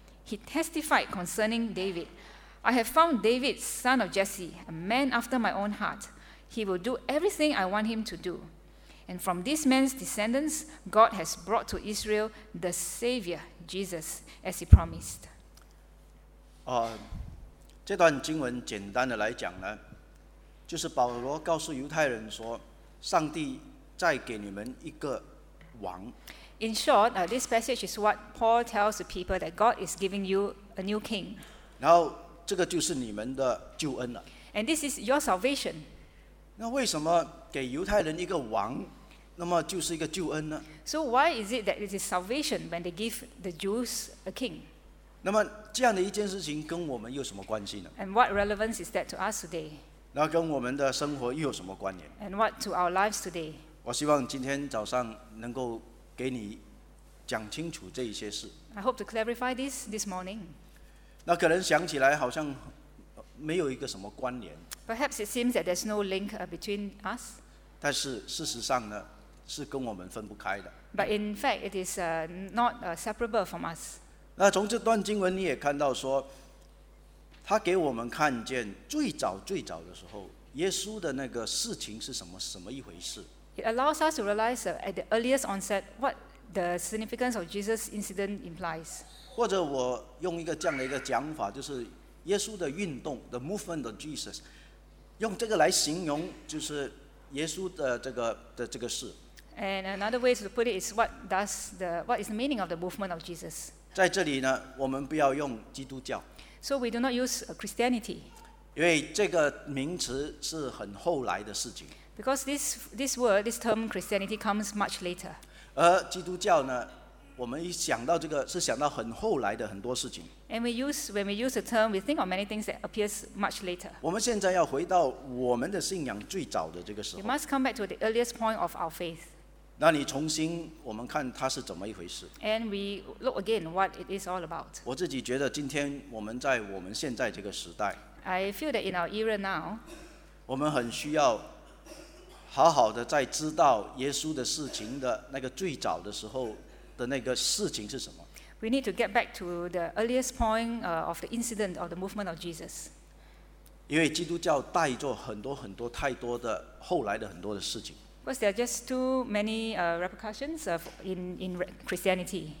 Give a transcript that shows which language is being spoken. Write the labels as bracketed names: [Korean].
[English] He testified concerning David, I have found David, son of Jesse, a man after my own heart. He will do everything I want him to do. And from this man's descendants, God has brought to Israel the Savior, Jesus, as he promised. [Chinese] 这段经文简单的来讲呢，就是保罗告诉犹太人说，上帝再给你们一个王。 [English] In short, this passage is what Paul tells the people that God is giving you a new king. [Chinese] 然后这个就是你们的救恩了。 [English] And this is your salvation. [Chinese] 那为什么给犹太人一个王，那么就是一个救恩呢？ [English] So why is it that it is salvation when they give the Jews a king? [Chinese] 那么这样的一件事情跟我们有什么关系呢？ [English] And what relevance is that to us today? [Chinese] 那跟我们的生活又有什么关联？ [English] And what to our lives today? [Chinese] 我希望今天早上能够给你讲清楚这一些事。 [English] I hope to clarify this this morning. [Chinese] 那可能想起来好像没有一个什么关联。 [English] Perhaps it seems that there's no link between us. [Chinese] 但是事实上呢，是跟我们分不开的。 [English] But in fact, it is not separable from us. [Chinese] 那从这段经文你也看到说，他给我们看见最早最早的时候，耶稣的那个事情是什么一回事。 [English] It allows us to realize at the earliest onset what the significance of Jesus' incident implies. [Chinese] 或者我用一个这样的一个讲法，就是耶稣的运动 ， [English] the movement of Jesus， [Chinese] 用这个来形容就是耶稣的这个事。 [English] And another way to put it is what is the meaning of the movement of Jesus？ [Chinese] 在这里呢，我们不要用基督教。 [English] So we do not use Christianity. [Chinese] 因为这个名词是很后来的事情。 [English] Because this word, this term Christianity comes much later. [Chinese] 而基督教呢，我们一想到这个，是想到很后来的很多事情。 [English] And when we use the term, we think of many things that appears much later. [Chinese] 我们现在要回到我们的信仰最早的这个时候。 [English] We must come back to the earliest point of our faith. [Chinese] 那你重新我们看它是怎么一回事。 [English] And we look again what it is all about. [Chinese] 我自己觉得今天我们在我们现在这个时代。 [English] I feel that in our era now. [Chinese] 我们很需要好好的在知道耶稣的事情的那个最早的时候的那个事情是什么。 [English] We need to get back to the earliest point of the incident of the movement of Jesus. [Chinese] 因为基督教带着很多很多太多的后来的很多的事情。 [English] Because there are just too many repercussions of in Christianity.